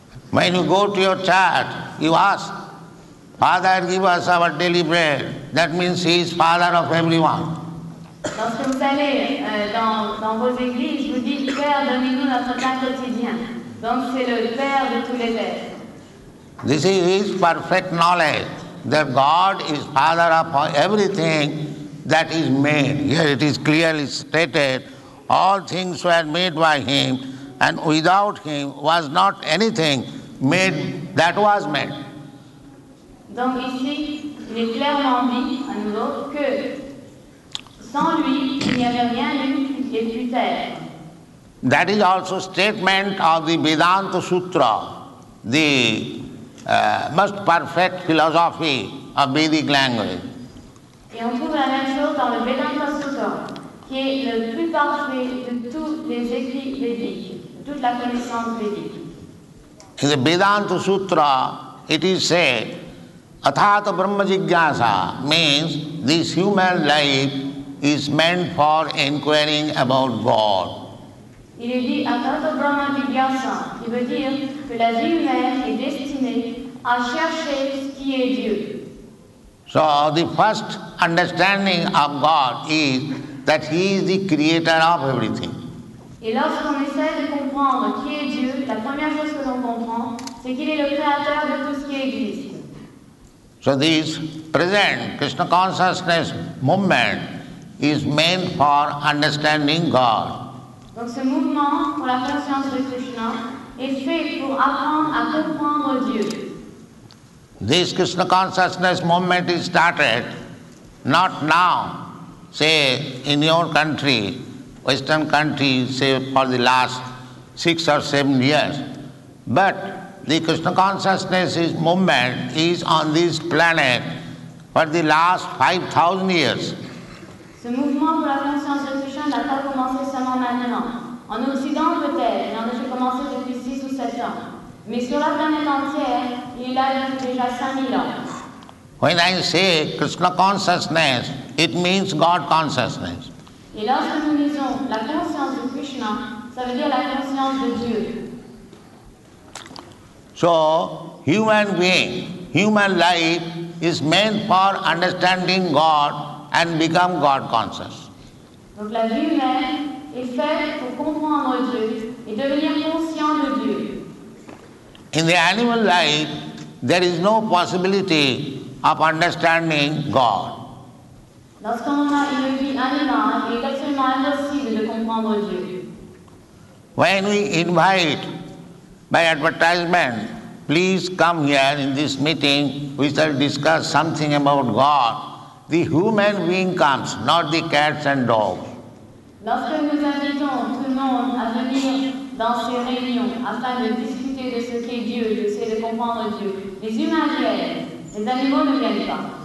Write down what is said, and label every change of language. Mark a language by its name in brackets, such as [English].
[English] When you go to your church, you ask, Father, give us our daily bread. That means He is Father of everyone. [French] Lorsque vous allez dans vos églises, vous dites, Père, donnez-nous notre pain quotidien. Donc, c'est le Père de tous les êtres. [English] This is His perfect knowledge. That God is Father of everything that is made. Here it is clearly stated, all things were made by Him, and without Him was not anything made that was made. [French] Donc ici, il est clairement dit à nouveau que sans lui, il n'y avait rien de plus terre. [English] That is also statement of the Vedanta Sutra, the most perfect philosophy of Vedic language. [French] Et on trouve la même chose dans le Vedanta Sutra, qui est le plus parfait de tous les écrits védiques, toute la connaissance védique. [English] In the Vedanta Sutra, it is said, [Sanskrit] Athata Brahma Jigyasa, [English] means this human life is meant for inquiring about God. [French] Il est dit [Sanskrit] Athata Brahma Jigyasa, [French] qui veut dire que la vie humaine est destinée à chercher ce qui est Dieu. [English] So the first understanding of God is that He is the creator of everything. [French] Et lorsqu'on essaie de comprendre qui est Dieu, la première chose que l'on comprend, c'est qu'il est le créateur de tout ce qui existe. [English] So this present Krishna consciousness movement is meant for understanding God. [French] Donc ce mouvement pour la conscience de Krishna est fait pour apprendre à comprendre Dieu. [English] This Krishna consciousness movement is started not now, say in your country, Western country, say for the last 6 or 7 years, but the Krishna consciousness movement is on this planet for the last 5,000 years. [French] Ce mouvement pour la conscience de Krishna n'a pas commencé seulement maintenant. En Occident peut-être, il en a commencé depuis 6 ou 7 ans. Mais sur la planète entière, il a déjà 5,000 ans. [English] When I say Krishna consciousness, it means God consciousness. [French] Et lorsque nous disons la conscience de Krishna, ça veut dire la conscience de Dieu. [English] So, human being, human life is meant for understanding God and become God conscious. [French] Donc la vie humaine est faite pour comprendre Dieu et devenir conscient de Dieu. [English] In the animal life, there is no possibility of understanding God. [French] Lorsqu'on a une vie animale, il est absolument impossible de comprendre Dieu. [English] When we invite by advertisement, please come here in this meeting, we shall discuss something about God. The human being comes, not the cats and dogs. [French] Lorsque nous invitons tout le monde à venir dans ces réunions afin de discuter de ce qu'est Dieu, de comprendre Dieu, les humains viennent, les animaux ne viennent pas.